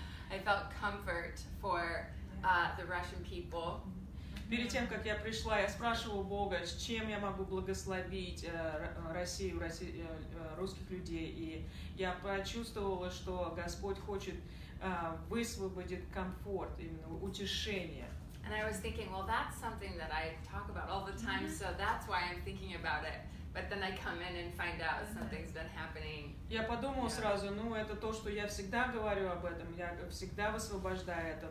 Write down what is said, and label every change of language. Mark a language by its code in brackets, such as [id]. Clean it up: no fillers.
[en] I felt comfort for the Russian people. [ru] Перед тем, как я пришла, я спрашивала Бога, с чем я могу благословить Россию, русских людей. И я почувствовала, что Господь хочет высвободить комфорт, именно утешение. [en] And I was thinking, well, that's something that I talk about all the time, mm-hmm. so that's why I'm thinking about it. But then I come in and find out something's been happening. [ru] Я подумала сразу, это то, что я всегда говорю об этом, я всегда высвобождаю это.